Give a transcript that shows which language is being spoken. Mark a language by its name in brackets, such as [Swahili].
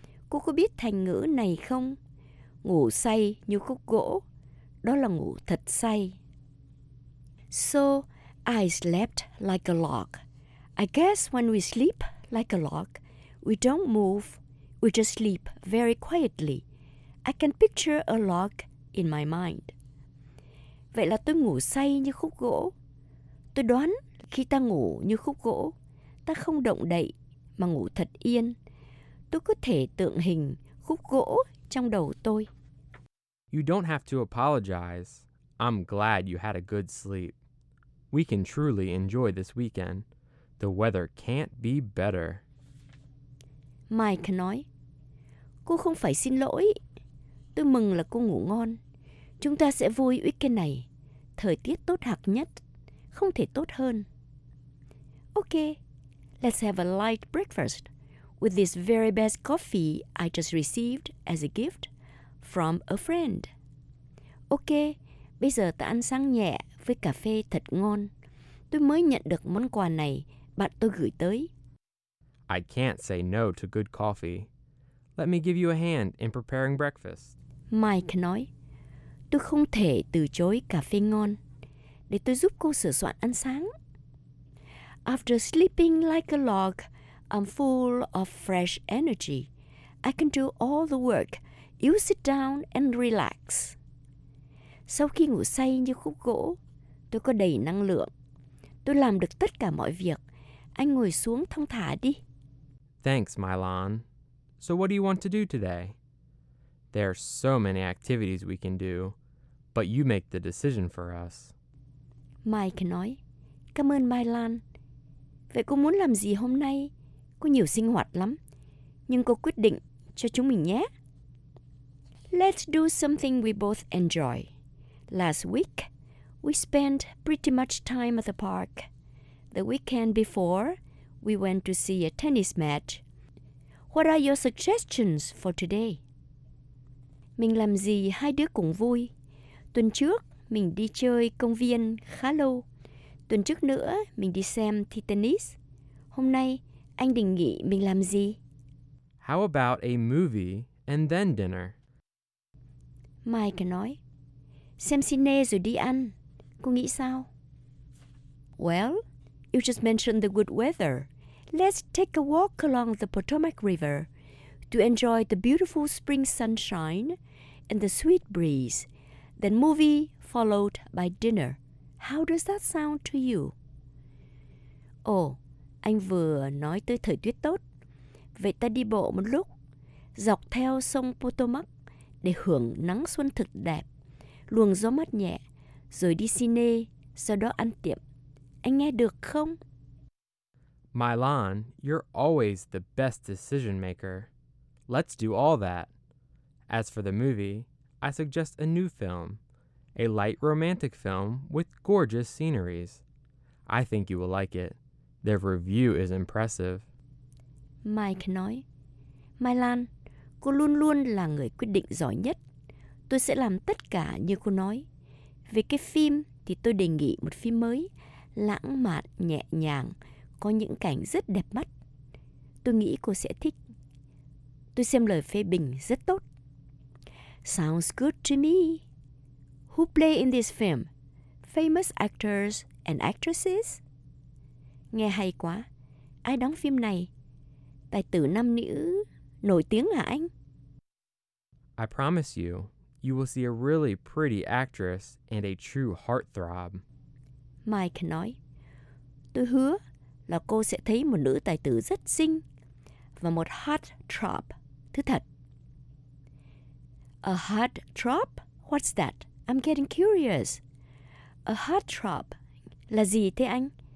[Vietnamese] Cô có biết thành ngữ này không? Ngủ say như khúc gỗ, đó là ngủ thật say. [English] So, I slept like a log. I guess when we sleep like a log, we don't move, we just sleep very quietly. I can picture a log in my mind. [Vietnamese] Vậy là tôi ngủ say như khúc gỗ. Tôi đoán khi ta ngủ như khúc gỗ, ta không động đậy mà ngủ thật yên. Tôi có thể tượng hình khúc gỗ trong đầu tôi. [English] You don't have to apologize. I'm glad you had a good sleep. We can truly enjoy this weekend. The weather can't be better. [Vietnamese] Mike nói, Cô không phải xin lỗi. Tôi mừng là cô ngủ ngon. Chúng ta sẽ vui weekend này. Thời tiết tốt hạc nhất. Không thể tốt hơn. [English] Okay, let's have a light breakfast with this very best coffee I just received as a gift from a friend. [Vietnamese] Okay, bây giờ ta ăn sáng nhẹ với cà phê thật ngon. Tôi mới nhận được món quà này bạn tôi gửi tới. [English] I can't say no to good coffee. Let me give you a hand in preparing breakfast. [Vietnamese] Mike nói, Tôi không thể từ chối cà phê ngon. Để tôi giúp cô sửa soạn ăn sáng. [English] After sleeping like a log, I'm full of fresh energy. I can do all the work. You sit down and relax. [Vietnamese] Sau khi ngủ say như khúc gỗ, tôi có đầy năng lượng. Tôi làm được tất cả mọi việc. Anh ngồi xuống thong thả đi. [English] Thanks, Milan. So what do you want to do today? There are so many activities we can do, but you make the decision for us. [Vietnamese] Mike nói, cảm ơn Mai Lan. Vậy cô muốn làm gì hôm nay? Có nhiều sinh hoạt lắm, nhưng cô quyết định cho chúng mình nhé. [English] Let's do something we both enjoy. Last week, we spent pretty much time at the park. The weekend before, we went to see a tennis match. What are your suggestions for today? [Vietnamese] Mình làm gì hai đứa cũng vui. Tuần trước, mình đi chơi công viên khá lâu. Tuần trước nữa, mình đi xem thi tennis. Hôm nay, anh định nghĩ mình làm gì? [English] How about a movie and then dinner? [Vietnamese] Mike nói, xem cine rồi đi ăn. Cô nghĩ sao? [English] Well, you just mentioned the good weather. Let's take a walk along the Potomac River to enjoy the beautiful spring sunshine and the sweet breeze. Then movie followed by dinner. How does that sound to you? [Vietnamese] Oh, anh vừa nói tới thời tiết tốt. Vậy ta đi bộ một lúc, dọc theo sông Potomac để hưởng nắng xuân thực đẹp, luồng gió mát nhẹ, rồi đi cine, sau đó ăn tiệm. Anh nghe được không? [English] Mylan, you're always the best decision maker. Let's do all that. As for the movie, I suggest a new film, a light romantic film with gorgeous sceneries. I think you will like it. Their review is impressive. [Vietnamese] Mike nói, Mylan, cô luôn luôn là người quyết định giỏi nhất. Tôi sẽ làm tất cả như cô nói. Về cái phim thì tôi đề nghị một phim mới, lãng mạn, nhẹ nhàng, có những cảnh rất đẹp mắt. Tôi nghĩ cô sẽ thích. Tôi xem lời phê bình rất tốt. [English] Sounds good to me. Who play in this film? Famous actors and actresses? [Vietnamese] Nghe hay quá. Ai đóng phim này? Tài tử nam nữ nổi tiếng hả anh? [English] I promise you, you will see a really pretty actress and a true heartthrob. [Vietnamese] Mike nói, tôi hứa là cô sẽ thấy một nữ tài tử rất xinh và một heartthrob, thứ thật. [English] A heartthrob? What's that? I'm getting curious. [Vietnamese] A heartthrob là gì thế anh?